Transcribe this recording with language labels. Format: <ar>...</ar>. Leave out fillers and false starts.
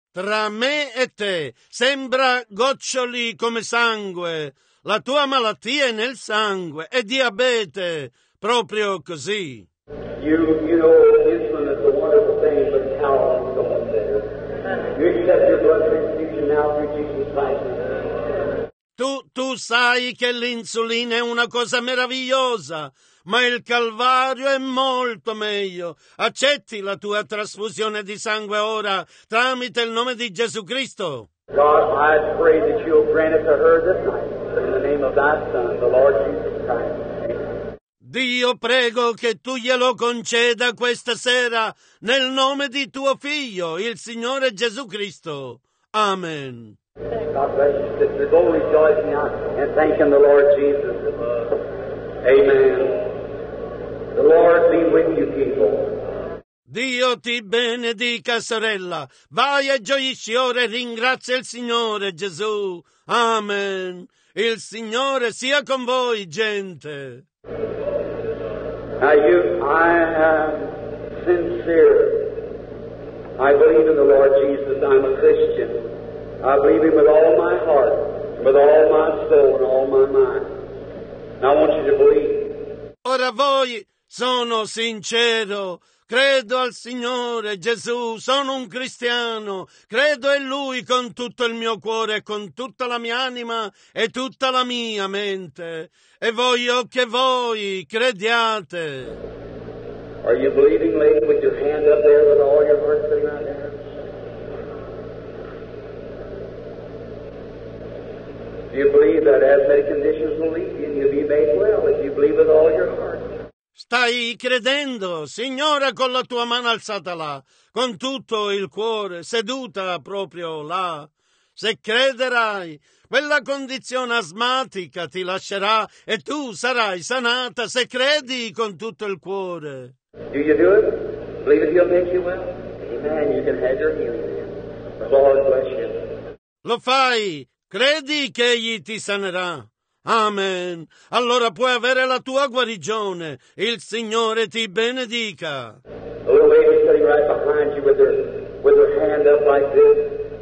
<it>Tra me e te sembra goccioli come sangue. La tua malattia è nel sangue. È diabete. Proprio così.</it> <en>You know insulin is a wonderful thing, but it's how long someone says. You accept your blood transfusion now through Jesus Christ.</en> <it>Tu sai che l'insulina è una cosa meravigliosa, ma il Calvario è molto meglio. Accetti la tua trasfusione di sangue ora, tramite il nome di Gesù Cristo.</it> <en>God, I pray that you'll grant it to her this night, in the name of thy Son, the Lord Jesus Christ. Amen.</en> <it>Dio, prego che tu glielo conceda questa sera, nel nome di tuo figlio, il Signore Gesù Cristo. Amen.</it> <en>God bless you, sister. Go rejoicing out and thanking the Lord Jesus above. Amen. The Lord be with you, people.</en> <it>Dio ti benedica, sorella. Vai e gioisci ora e ringrazia il Signore Gesù. Amen. Il Signore sia con voi, gente.</it> <en>I am sincere. I believe in the Lord Jesus. I'm a Christian. I believe him with all my heart, with all my soul, and all my mind. And I want you to believe.</en> <it>Ora voi sono sincero. Credo al Signore Gesù. Sono un cristiano. Credo in Lui con tutto il mio cuore, con tutta la mia anima e tutta la mia mente. E voglio che voi crediate.</it> <en>Are you believing, lady, with your hand up there, with all your heart sitting right there? Do you believe that asthmatic conditions will leave you and you'll be made well if you believe with all your heart?</en> <it>Stai credendo, signora, con la tua mano alzata là, con tutto il cuore, seduta proprio là. se crederai. Quella condizione asmatica ti lascerà e tu sarai sanata se credi con tutto il cuore.</it> <en>Do you do it? Believe it, he'll make you well. Amen. You can have your healing. The Lord bless you.</en> <it>Lo fai. Credi che egli ti sanerà. Amen. Allora puoi avere la tua guarigione. Il Signore ti benedica.</it> <en>A little baby sitting right behind you with her hand up like this.</en>